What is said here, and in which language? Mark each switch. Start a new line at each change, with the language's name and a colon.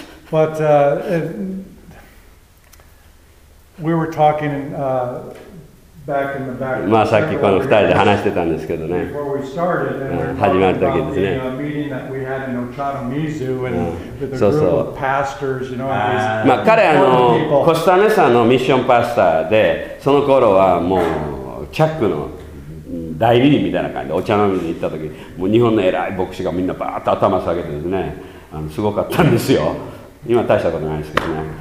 English: But we were talking back in the back.
Japanese: まあさっきこの二人で話してたんですけどね。
English: Before we started, and we were talking about the meeting that we had in Ochanomizu with a group of pastors, you know.
Japanese: まあ彼コスタネさんのミッションパスターで、その頃はもうチャックの代理人みたいな感じでお茶飲みに行った時、もう日本の偉い牧師がみんなバーッと頭下げてですね、すごかったんですよ。今大したことないですけどね。